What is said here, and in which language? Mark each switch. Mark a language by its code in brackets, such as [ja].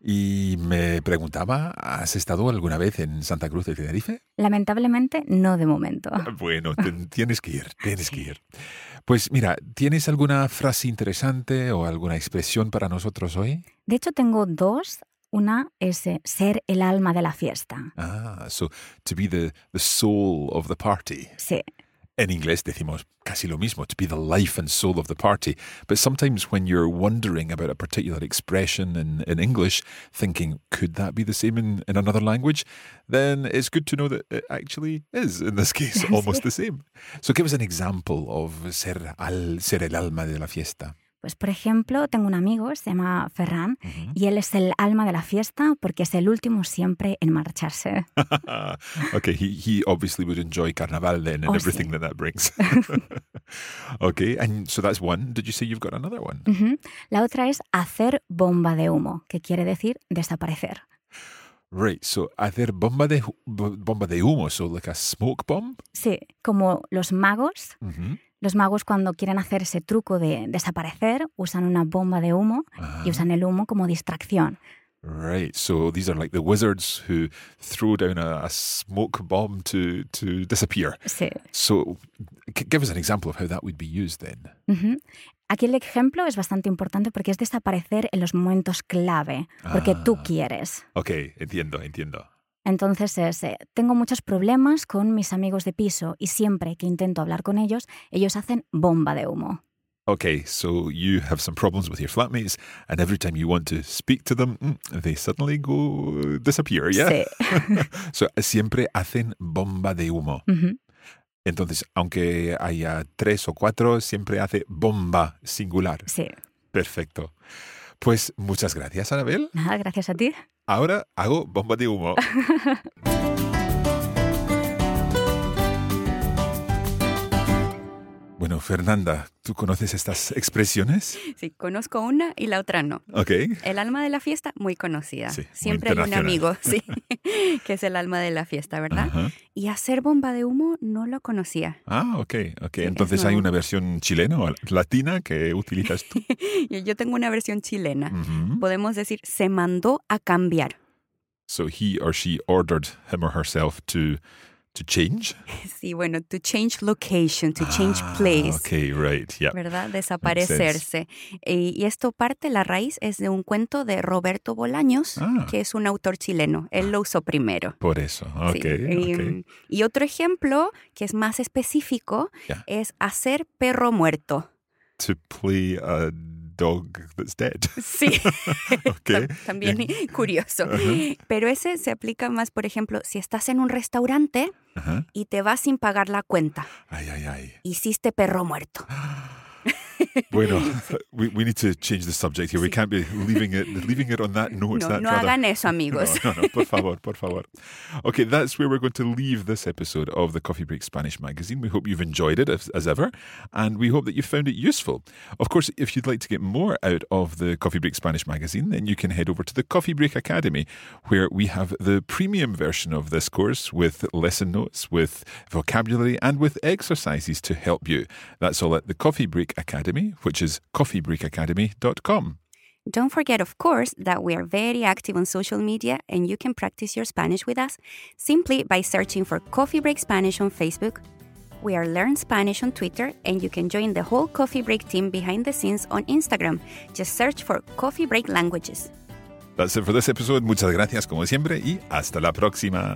[es] Y me preguntaba, ¿has estado alguna vez en Santa Cruz de Tenerife? Lamentablemente, no de momento. Bueno, tienes que ir. Pues mira, ¿tienes alguna frase interesante o alguna expresión para nosotros hoy? De hecho, tengo dos. Una es ser el alma de la fiesta. [en] Ah, so to be the soul of the party. [es] Sí. [en] In English, [es] decimos casi lo mismo, [en] to be the life and soul of the party. But sometimes when you're wondering about a particular expression in English, thinking, could that be the same in another language? Then it's good to know that it actually is, in this case, almost the same. So give us an example of [es] ser el alma de la fiesta. Pues, por ejemplo, tengo un amigo, se llama Ferran, uh-huh. y él es el alma de la fiesta porque es el último siempre en marcharse. [en] Okay, he obviously would enjoy Carnaval then and everything that brings. Okay, and so that's one. Did you say you've got another one? Uh-huh. [es] La otra es hacer bomba de humo, que quiere decir desaparecer. [en] Right, so [es] hacer bomba de humo, [en] so like a smoke bomb? [es] Sí, como los magos. Uh-huh. Los magos cuando quieren hacer ese truco de desaparecer usan una bomba de humo y usan el humo como distracción. [en] Right, so these are like the wizards who throw down a smoke bomb to disappear. [es] Sí. [en] So give us an example of how that would be used then. Uh-huh. [es] Aquí el ejemplo es bastante importante porque es desaparecer en los momentos clave, porque tú quieres. Okay, entiendo. Entonces es, tengo muchos problemas con mis amigos de piso y siempre que intento hablar con ellos, ellos hacen bomba de humo. [en] Okay, so you have some problems with your flatmates and every time you want to speak to them, they suddenly go disappear, yeah? [es] Sí. [en] So [es] siempre hacen bomba de humo. Uh-huh. Entonces, aunque haya tres o cuatro, siempre hace bomba singular. Sí. Perfecto. Pues muchas gracias, Anabel. Nada, gracias a ti. Ahora hago bomba de humo. Bueno, Fernanda, ¿tú conoces estas expresiones? Sí, conozco una y la otra no. Ok. El alma de la fiesta, muy conocida. Sí, siempre muy hay un amigo, sí, que es el alma de la fiesta, ¿verdad? Uh-huh. Y hacer bomba de humo no lo conocía. Ah, ok. Sí, entonces hay una versión chilena o latina que utilizas tú. Yo tengo una versión chilena. Uh-huh. Podemos decir, se mandó a cambiar. [en] So he or she ordered him or herself to change? [es] Sí, bueno, [en] to change location, to change place. Okay, right, yeah. [es] ¿Verdad? Desaparecerse. Y esto parte, la raíz, es de un cuento de Roberto Bolaños, que es un autor chileno. Él lo usó primero. Por eso, okay. Sí. Y otro ejemplo, que es más específico, es hacer perro muerto. [en] To play a dog that's dead. [es] Sí. Okay. También curioso. Uh-huh. Pero ese se aplica más, por ejemplo, si estás en un restaurante y te vas sin pagar la cuenta. Ay, ay, ay. Hiciste perro muerto. Bueno, sí. [en] We need to change the subject here. Sí. We can't be leaving it on that note. [es] No, hagan eso, amigos. No, por favor. [en] Okay, that's where we're going to leave this episode of the Coffee Break Spanish magazine. We hope you've enjoyed it, as ever, and we hope that you found it useful. Of course, if you'd like to get more out of the Coffee Break Spanish magazine, then you can head over to the Coffee Break Academy, where we have the premium version of this course with lesson notes, with vocabulary, and with exercises to help you. That's all at the Coffee Break Academy, which is coffeebreakacademy.com. Don't forget, of course, that we are very active on social media and you can practice your Spanish with us simply by searching for Coffee Break Spanish on Facebook. We are Learn Spanish on Twitter and you can join the whole Coffee Break team behind the scenes on Instagram. Just search for Coffee Break Languages. That's it for this episode. [es] Muchas gracias, como siempre, y hasta la próxima.